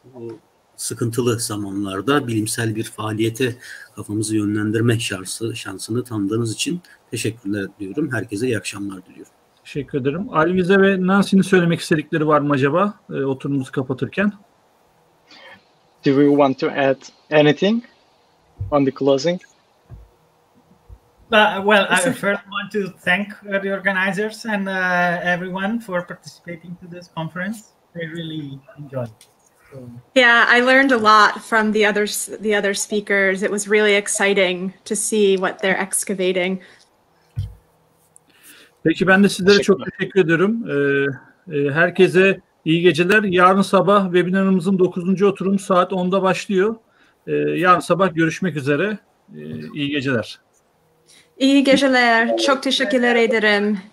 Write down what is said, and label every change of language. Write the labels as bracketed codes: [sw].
[tr] Bu sıkıntılı zamanlarda bilimsel bir faaliyete kafamızı yönlendirme şansını tanıdığınız için teşekkürler diliyorum. Herkese iyi akşamlar diliyorum. Teşekkür ederim. Alvize ve Nancy'nin söylemek istedikleri var mı acaba oturumumuzu kapatırken? [en] Do we want to add anything on the closing? Well, I first want to thank the organizers and everyone for participating to this conference. I really enjoyed it. Yeah, I learned a lot from the other speakers. It was really exciting to see what they're excavating. [tr] Peki ben de sizlere çok teşekkür ediyorum. Herkese iyi geceler. Yarın sabah webinarımızın 9. oturum saat 10'da başlıyor. Yarın sabah görüşmek üzere. İyi geceler. İyi geceler. Çok teşekkürler ederim.